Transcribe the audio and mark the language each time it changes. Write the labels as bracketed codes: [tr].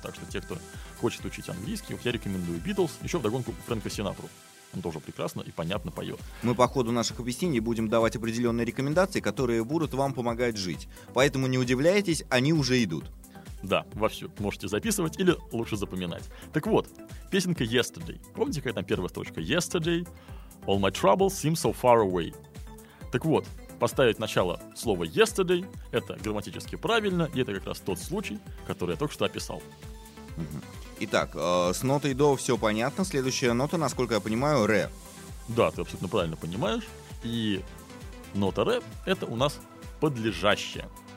[ru] Так что те, кто хочет учить английский, я рекомендую Beatles, еще вдогонку Фрэнка Синатру. Он тоже прекрасно и понятно поет. Мы по ходу наших объяснений будем давать определенные рекомендации, которые будут вам помогать жить. Поэтому не удивляйтесь, они уже идут. Да, вовсю. Можете записывать или лучше запоминать. Так вот, песенка Yesterday. Помните, какая там первая строчка? [en] Yesterday, all my troubles seem so far away. [ru] Так вот, поставить начало слова yesterday — это грамматически правильно, и это как раз тот случай, который я только что описал. Итак, с нотой до все понятно. Следующая нота, насколько я понимаю, ре. Да, ты абсолютно правильно понимаешь. И нота ре — это у нас подлежащее.